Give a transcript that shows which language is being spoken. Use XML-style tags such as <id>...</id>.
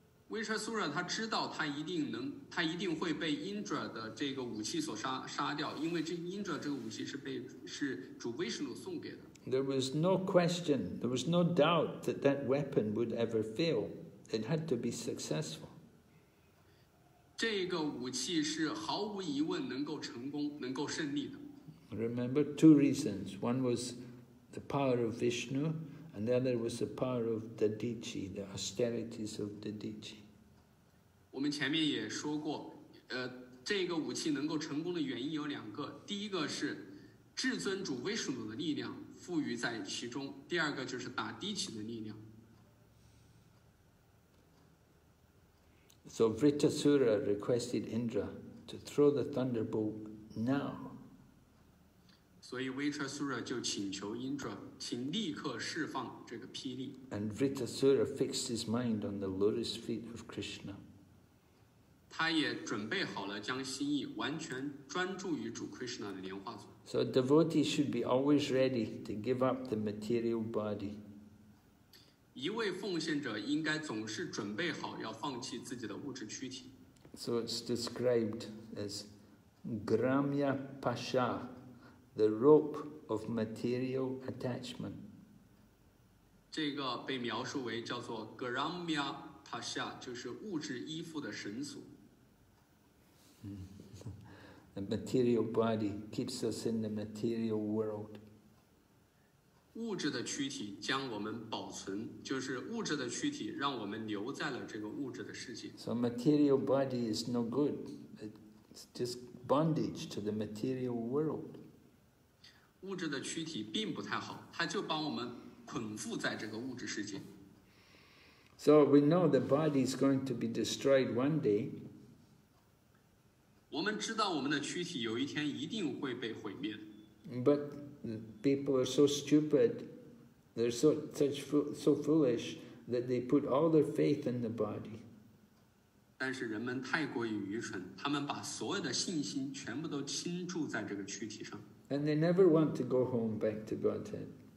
<zh>Vritasura 他知道他一定会被 Indra 的这个武器所杀掉，因为这 Indra 这个武器是主 Vishnu 送给的。</zh> <en>There was no question, there was no doubt that that weapon would ever fail. It had to be successful.</en> <zh>这个武器是毫无疑问能够成功，能够胜利的。</zh> <en>Remember two reasons. One was the power of Vishnu, and the other was the power of Dadichi, the austerities of Dadichi.</en> <zh>我们前面也说过，这个武器能够成功的原因有两个。第一个是至尊主 Vishnu 的力量赋予在其中，第二个就是打地气的力量。</zh> <en>So Vritasura requested Indra to throw the thunderbolt now.</en> <zh>So Vritasura 就请求 Indra, 请立刻释放这个霹雳。</zh> <en>And Vritasura fixed his mind on the lotus feet of Krishna.</en> <zh>他也准备好了将心意完全专注于主 Krishna 的莲花足。</zh> <en>So a devotee should be always ready to give up the material body.</en> <zh>一位奉献者应该总是准备好要放弃自己的物质躯体。</zh> <en>So it's described as Gramya Pasha. The rope of material attachment.</en> <zh>这个被描述为叫做 Gramya Pasha, 就是物质依附的绳索。</zh> <en>The material body keeps us in the material world.</en> <zh>物质的躯体将我们保存，就是物质的躯体让我们留在了这个物质的世界。</zh> <en>So material body is no good. It's just bondage to the material world.</en> <zh>物质的躯体并不太好，它就帮我们捆缚在这个物质世界。</zh> <en>So we know the body is going to be destroyed one day.</en> <zh>我们知道我们的躯体有一天一定会被毁灭。</zh> <en>But people are so stupid, they're so foolish that they put all their faith in the body.</en> <zh>但是人们太过于愚蠢，他们把所有的信心全部都倾注在这个躯体上。</zh> <en>And they never want to go home back to Godhead.</en>